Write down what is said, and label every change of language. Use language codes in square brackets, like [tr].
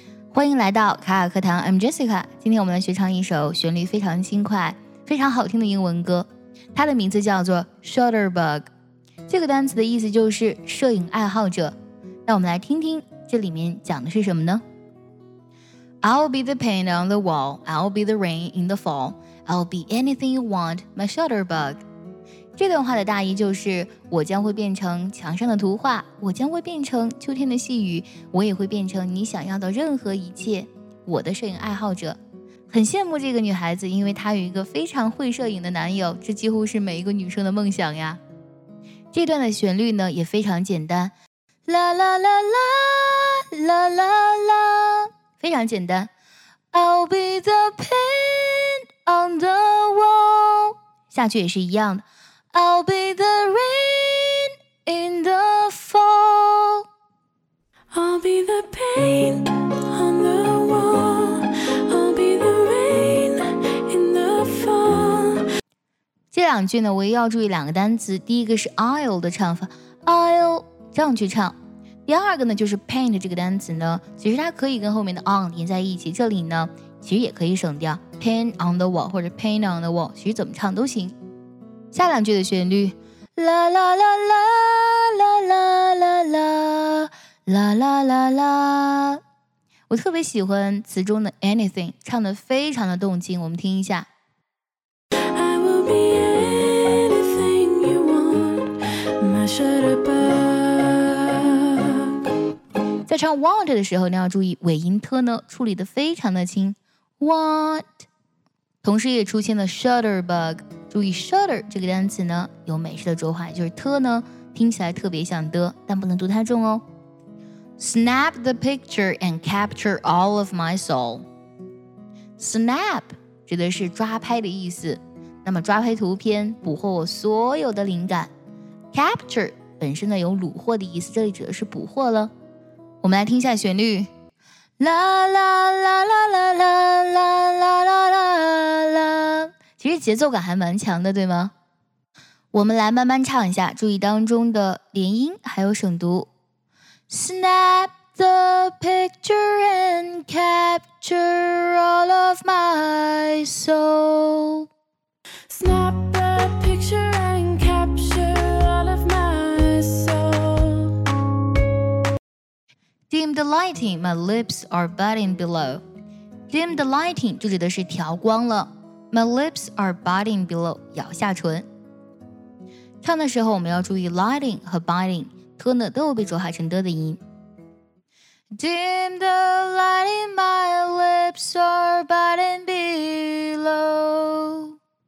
[zh] 欢迎来到卡尔课堂 [en] I'm Jessica， [zh] 今天我们来学唱一首旋律非常轻快非常好听的英文歌，它的名字叫做 Shutterbug， 这个单词的意思就是摄影爱好者。那我们来听听这里面讲的是什么呢？ [en] I'll be the paint on the wall, I'll be the rain in the fall, I'll be anything you want, my shutterbug. [zh] 这段话的大意就是，我将会变成墙上的图画，我将会变成秋天的细雨，我也会变成你想要的任何一切，我的摄影爱好者。很羡慕这个女孩子，因为她有一个非常会摄影的男友，这几乎是每一个女生的梦想呀。这段的旋律呢，也非常简单。啦啦啦啦，啦啦啦。非常简单 [en] I'll be the paint on the wall [zh] 下去也是一样的 [en] I'll be the rain in the fall I'll be the paint on the wall I'll be the rain in the fall [zh] 这两句呢我也要注意两个单词第一个是 I'll 的唱法 I'll 这样去唱第二个呢就是 paint 这个单词呢其实它可以跟后面的 on 连在一起这里呢其实也可以省掉 [en] paint on the wall [zh] 或者 paint on the wall 其实怎么唱都行下两句的旋律啦啦啦啦啦啦啦啦啦啦啦啦我特别喜欢词中的 anything 唱得非常的动听我们听一下 [en] I will be anything you want my shutterbug [zh] 在唱 want 的时候，你要注意尾音 t 呢处理的非常的轻 ，want， 同时也出现了 shutterbug， 注意 shutter 这个单词呢有美式的浊化，就是 t 呢听起来特别像的，但不能读太重哦。 [en] Snap the picture and capture all of my soul. [zh] Snap 指的是抓拍的意思，那么抓拍图片捕获我所有的灵感。 Capture 本身呢有虏获的意思，这里指的是捕获了。我们来听一下旋律啦啦啦啦啦啦啦啦啦啦啦其实节奏感还蛮强的对吗我们来慢慢唱一下注意当中的连音还有省读 [en] Snap the picture and capture all of my soul Snap the picture and capture all of my soul Dim the lighting, my lips are budding below. Dim the lighting [zh] 就指的是调光了。 [en] My lips are budding below, [zh] 咬下唇。唱的时候我们要注意 lighting 和 budding, 特呢都会被浊化成的音。 [en] Dim the lighting, my lips are budding below.